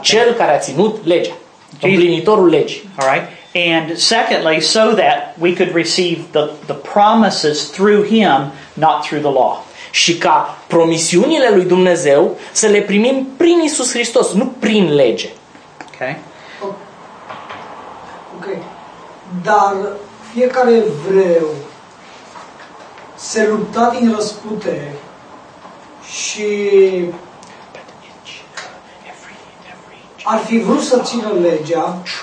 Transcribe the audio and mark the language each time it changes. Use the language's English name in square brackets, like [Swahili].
[Romanian] Cel care a ținut legea, împlinitorul legii. [English] All right. And secondly, so that we could receive the promises through him, not through the law. [Romanian] Și ca promisiunile lui Dumnezeu să le primim prin Iisus Hristos, nu prin lege. [English] Okay. Ok. [Romanian] Dar fiecare evreu se lupta din răsputere și ar fi vrut să țină legea.